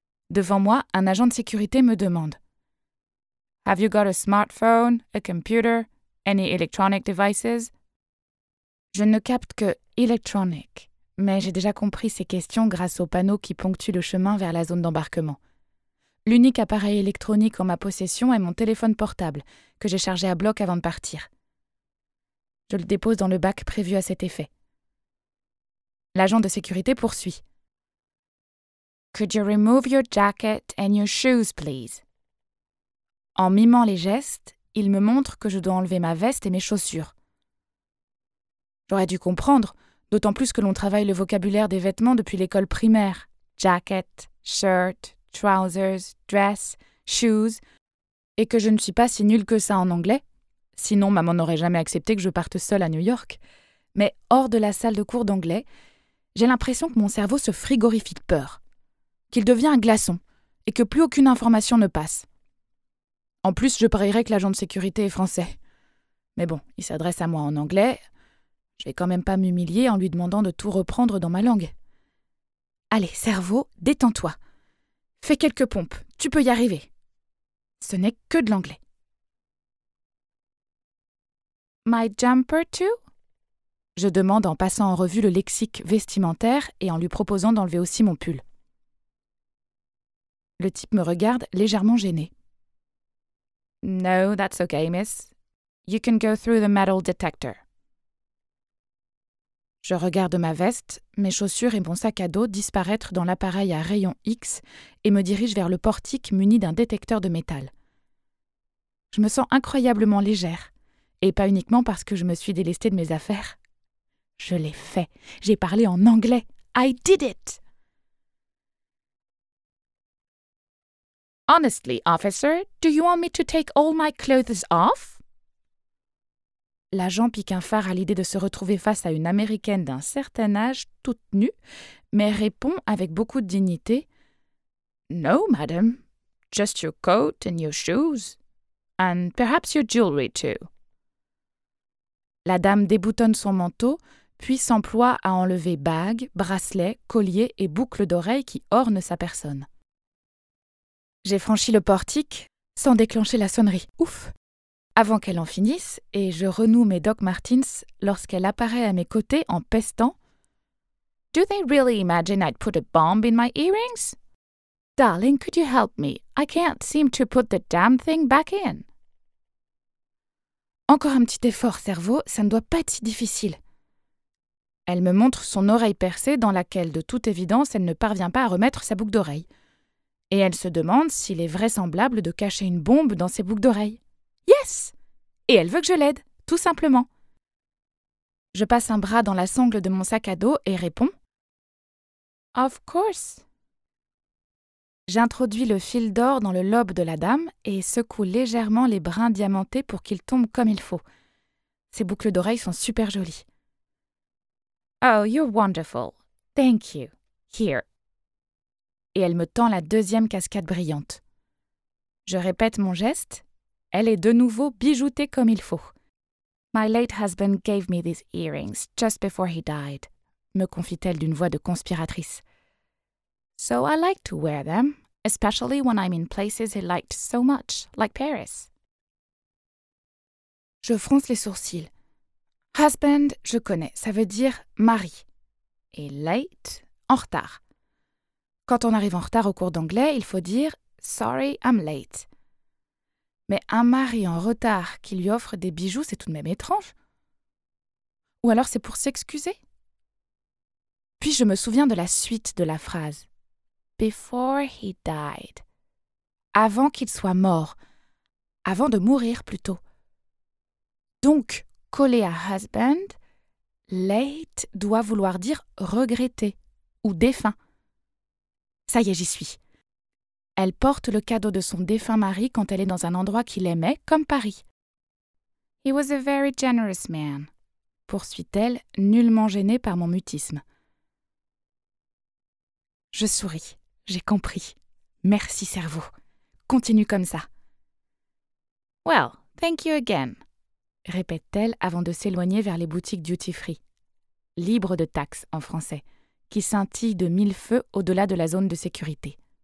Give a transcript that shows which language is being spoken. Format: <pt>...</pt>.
<fr>Devant moi, un agent de sécurité me demande. «</fr> <en>Have you got a smartphone, a computer, any electronic devices?</en> <fr>» Je ne capte que « electronic », mais j'ai déjà compris ces questions grâce aux panneaux qui ponctuent le chemin vers la zone d'embarquement. L'unique appareil électronique en ma possession est mon téléphone portable, que j'ai chargé à bloc avant de partir. Je le dépose dans le bac prévu à cet effet. L'agent de sécurité poursuit.</fr> <en>Could you remove your jacket and your shoes, please?</en> <fr>En mimant les gestes, il me montre que je dois enlever ma veste et mes chaussures. J'aurais dû comprendre, d'autant plus que l'on travaille le vocabulaire des vêtements depuis l'école primaire.</fr> <en>Jacket, shirt, trousers, dress, shoes.</en> <fr>Et que je ne suis pas si nulle que ça en anglais. Sinon, maman n'aurait jamais accepté que je parte seule à New York. Mais hors de la salle de cours d'anglais, j'ai l'impression que mon cerveau se frigorifie de peur, qu'il devient un glaçon et que plus aucune information ne passe. En plus, je parierais que l'agent de sécurité est français. Mais bon, il s'adresse à moi en anglais. Je vais quand même pas m'humilier en lui demandant de tout reprendre dans ma langue. Allez, cerveau, détends-toi. Fais quelques pompes, tu peux y arriver. Ce n'est que de l'anglais.</fr> <en>My jumper too?</en> <fr>Je demande en passant en revue le lexique vestimentaire et en lui proposant d'enlever aussi mon pull. Le type me regarde légèrement gêné.</fr> <en>No, that's okay, miss. You can go through the metal detector.</en> <fr>Je regarde ma veste, mes chaussures et mon sac à dos disparaître dans l'appareil à rayon X et me dirige vers le portique muni d'un détecteur de métal. Je me sens incroyablement légère. Et pas uniquement parce que je me suis délestée de mes affaires. Je l'ai fait. J'ai parlé en anglais.</fr> <en>I did it! Honestly, officer, do you want me to take all my clothes off?</en> <fr>L'agent pique un phare à l'idée de se retrouver face à une Américaine d'un certain âge, toute nue, mais répond avec beaucoup de dignité.</fr> <en>No, madam. Just your coat and your shoes. And perhaps your jewelry too.</en> <fr>La dame déboutonne son manteau, puis s'emploie à enlever bagues, bracelets, colliers et boucles d'oreilles qui ornent sa personne. J'ai franchi le portique sans déclencher la sonnerie. Ouf ! Avant qu'elle en finisse, et je renoue mes Doc Martens lorsqu'elle apparaît à mes côtés en pestant.</fr> <en>Do they really imagine I'd put a bomb in my earrings? Darling, could you help me? I can't seem to put the damn thing back in.</en> <fr>Encore un petit effort, cerveau, ça ne doit pas être si difficile. Elle me montre son oreille percée dans laquelle, de toute évidence, elle ne parvient pas à remettre sa boucle d'oreille. Et elle se demande s'il est vraisemblable de cacher une bombe dans ses boucles d'oreilles. Yes ! Et elle veut que je l'aide, tout simplement. Je passe un bras dans la sangle de mon sac à dos et réponds.</fr> <en>Of course.</en> <fr>J'introduis le fil d'or dans le lobe de la dame et secoue légèrement les brins diamantés pour qu'ils tombent comme il faut. Ses boucles d'oreilles sont super jolies.</fr> <en>Oh, you're wonderful. Thank you. Here.</en> <fr>Et elle me tend la deuxième cascade brillante. Je répète mon geste. Elle est de nouveau bijoutée comme il faut.</fr> <en>My late husband gave me these earrings just before he died,</en> <fr>me confie-t-elle d'une voix de conspiratrice.</fr> <en>So I like to wear them, especially when I'm in places he liked so much, like Paris.</en> <fr>Je fronce les sourcils. Husband, je connais, ça veut dire mari. Et late, en retard. Quand on arrive en retard au cours d'anglais, il faut dire</fr> <en>sorry, I'm late.</en> <fr>Mais un mari en retard qui lui offre des bijoux, c'est tout de même étrange. Ou alors c'est pour s'excuser? Puis je me souviens de la suite de la phrase.</fr> <en>Before he died.</en> <fr>Avant qu'il soit mort. Avant de mourir, plutôt. Donc, collé à husband, Late doit vouloir dire regretter ou défunt. Ça y est, j'y suis. Elle porte le cadeau de son défunt mari quand elle est dans un endroit qu'il aimait, comme Paris.</fr> <en>He was a very generous man,</en> <fr>poursuit-elle, nullement gênée par mon mutisme. Je souris, j'ai compris. Merci, cerveau. Continue comme ça.</fr> <en>Well, thank you again,</en> <fr>répète-t-elle avant de s'éloigner vers les boutiques duty-free, libres de taxes en français, qui scintillent de mille feux au-delà de la zone de sécurité.</fr>